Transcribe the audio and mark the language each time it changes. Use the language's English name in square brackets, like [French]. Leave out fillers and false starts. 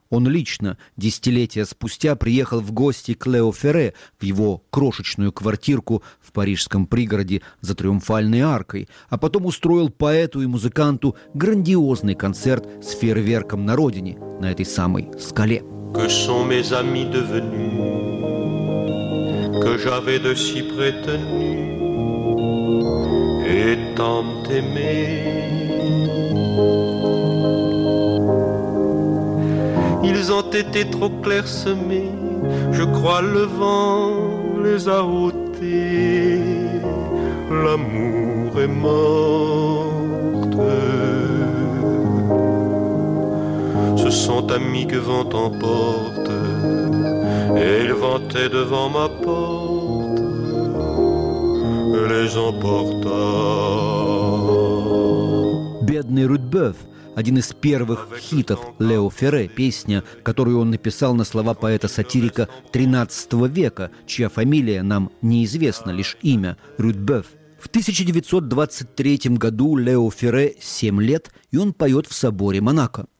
[Russian] Он лично, десятилетия спустя, приехал в гости к Лео Ферре в его крошечную квартирку в парижском пригороде за Триумфальной аркой, а потом устроил поэту и музыканту грандиозный концерт с фейерверком на родине, на этой самой скале. [French] Que sont mes amis devenus, que j'avais de si prétenu, et tant aimé. Ils ont été trop clairsemés, je crois le vent les a ôtés, l'amour est mort. Ce sont amis que vent emporte, et ils vantaient devant ma porte, les emporta. [Russian] Бедный Рудбёв. Один из первых хитов Лео Ферре, песня, которую он написал на слова поэта-сатирика 13 века, чья фамилия нам неизвестна, лишь имя Рудбёв. В 1923 году Лео Ферре 7 лет, и он поет в соборе Монако.